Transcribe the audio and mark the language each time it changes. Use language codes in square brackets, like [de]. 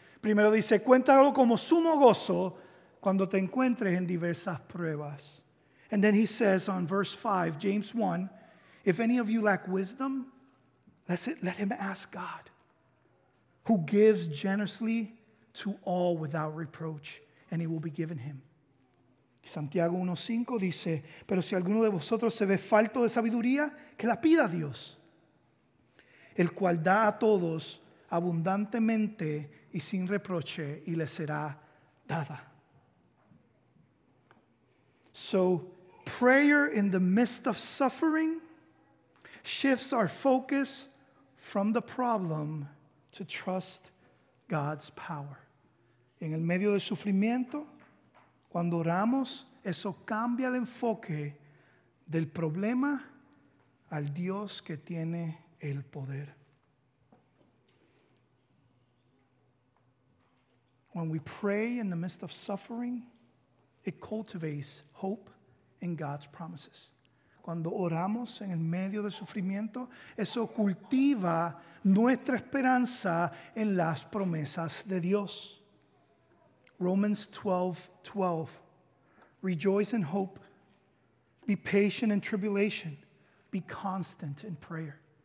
[es] Primero dice, cuéntalo como sumo gozo cuando te encuentres en diversas pruebas. [en] And then he says on verse 5, James 1, if any of you lack wisdom, let him ask God, who gives generously to all without reproach, and it will be given him. [es] Santiago 1:5 dice, pero si alguno de vosotros se ve falto de sabiduría, que la pida a Dios, el cual da a todos abundantemente y sin reproche, y le será dada. [en] So, prayer in the midst of suffering shifts our focus from the problem to trust God's power. [es] En el medio del sufrimiento, cuando oramos, eso cambia el enfoque del problema al Dios que tiene el poder. [en] When we pray in the midst of suffering, it cultivates hope in God's promises. [es] Cuando oramos en el medio del sufrimiento, eso cultiva nuestra esperanza en las promesas de Dios. [en] Romans 12, 12. Rejoice in hope. Be patient in tribulation. Be constant in prayer.